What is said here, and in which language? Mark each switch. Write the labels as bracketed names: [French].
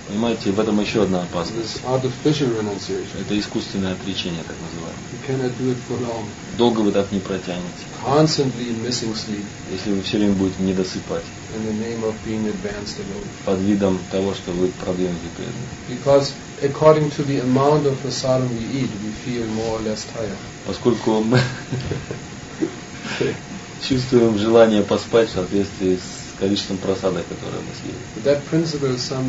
[Russian] Понимаете, в этом еще одна опасность. [English] This artificial renunciation. [Russian] Это искусственное отречение, так называемое. [English] You cannot do it for long. [Russian] Долго вы так не протянете. [English] Constantly missing sleep. [Russian] Если вы все время будете недосыпать. [English] In the name of being advanced devotee. [Russian] Под видом того, что вы продвинутый преданный. [English] Because according to the amount of prasadam we eat, we feel more or less tired. [Russian] Поскольку мы чувствуем желание поспать в соответствии с количеством просада, которое мы съели.